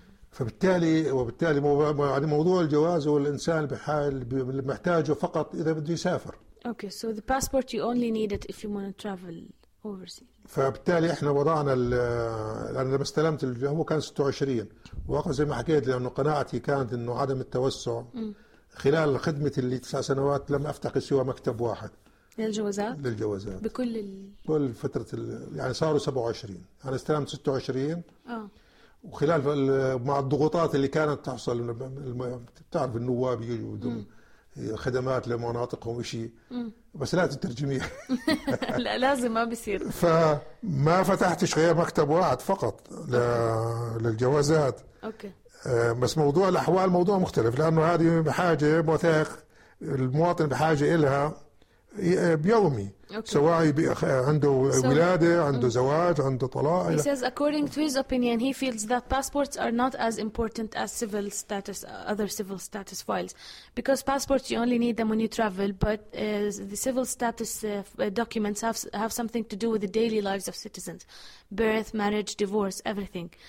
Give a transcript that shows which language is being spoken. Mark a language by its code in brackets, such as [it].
[ar] فبالتالي وبالتالي موضوع الجواز هو الإنسان بحال محتاجه فقط إذا بده يسافر. [en] Okay, so the passport you only need it if you want to travel overseas. [ar] فبالتالي إحنا وضعنا لأن لما استلمت هو كان 26 وقف زي ما حكيت لأنه قناعتي كانت إنه عدم التوسع خلال الخدمة اللي 9 سنوات لم أفتح سوى مكتب واحد للجوازات. للجوازات بكل كل فترة يعني صاروا 27، أنا استلمت 26. وخلال مع الضغوطات اللي كانت تحصل، بتعرف النواب يجوا بدون خدمات لمناطقهم شيء، بس لا تترجمي لا لازم ما بيصير. فما فتحتش غير مكتب واحد فقط للجوازات. بس موضوع الأحوال موضوع مختلف، لأنه هذه بحاجة وثائق المواطن بحاجة إلها بيومي. سواء عنده ولادة، عنده زواج، عنده طلاق. [en] He says according to his opinion, he feels that passports are not as important as civil status, other civil status files, because passports you only need them when you travel, but the civil status documents have something to do with the daily lives of citizens, birth, marriage, divorce, everything.